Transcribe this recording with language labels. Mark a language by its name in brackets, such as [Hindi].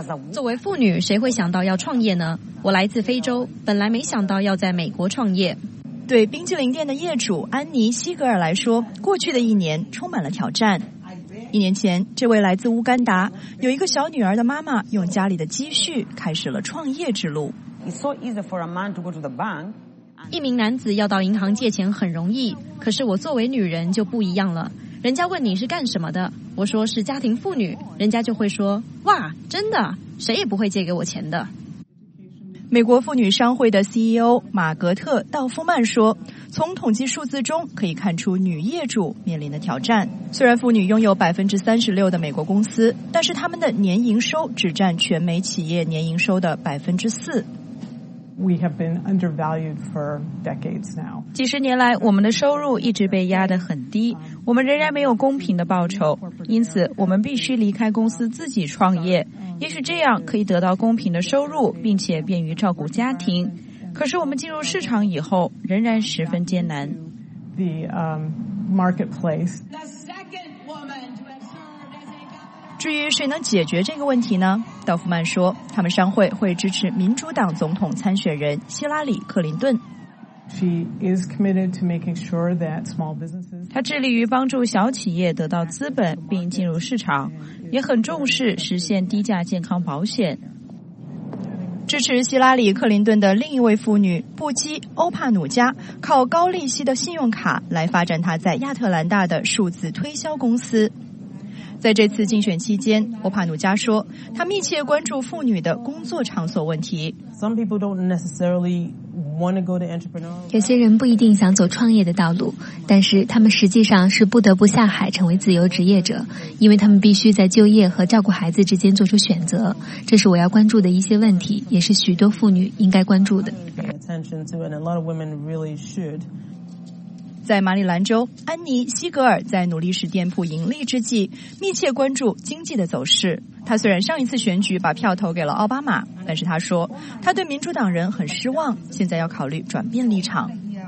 [Chinese] 作为妇女，谁会想到要创业呢？我来自非洲，本来没想到要在美国创业。对冰淇淋店的业主安妮·西格尔来说，过去的一年充满了挑战。一年前，这位来自乌干达，有一个小女儿的妈妈，用家里的积蓄开始了创业之路。 [English] It's so easy for a man to go to the bank. [Chinese] 一名男子要到银行借钱很容易，可是我作为女人就不一样了。人家问你是干什么的，我说是家庭妇女，人家就会说，哇，真的，谁也不会借给我钱的。美国妇女商会的 CEO 马格特·道夫曼说，从统计数字中可以看出女业主面临的挑战。虽然妇女拥有36%的美国公司，但是他们的年营收只占全美企业年营收的4%。 [English] We have been undervalued for decades now. [Chinese] 几十年来，我们的收入一直被压得很低，我们仍然没有公平的报酬，因此我们必须离开公司自己创业，也许这样可以得到公平的收入，并且便于照顾家庭。可是我们进入市场以后，仍然十分艰难。 [English] The marketplace. [Chinese] 至于谁能解决这个问题呢？道夫曼说，他们商会会支持民主党总统参选人希拉里·克林顿。 [English] She is committed to making sure that small businesses. [Chinese] 他致力于帮助小企业得到资本并进入市场，也很重视实现低价健康保险。支持希拉里·克林顿的另一位妇女布基·欧帕努加，靠高利息的信用卡来发展她在亚特兰大的数字推销公司。在这次竞选期间，欧帕努加说，他密切关注妇女的工作场所问题。 [English] Some people don't necessarily want to go to entrepreneur. [Chinese] 有些人不一定想走创业的道路，但是他们实际上是不得不下海成为自由职业者，因为他们必须在就业和照顾孩子之间做出选择。这是我要关注的一些问题，也是许多妇女应该关注的。 [English] Attention to it, and a lot of women really should. [Chinese] 在马里兰州，安妮·西格尔在努力使店铺盈利之际，密切关注经济的走势。他虽然上一次选举把票投给了奥巴马，但是他说，他对民主党人很失望，现在要考虑转变立场。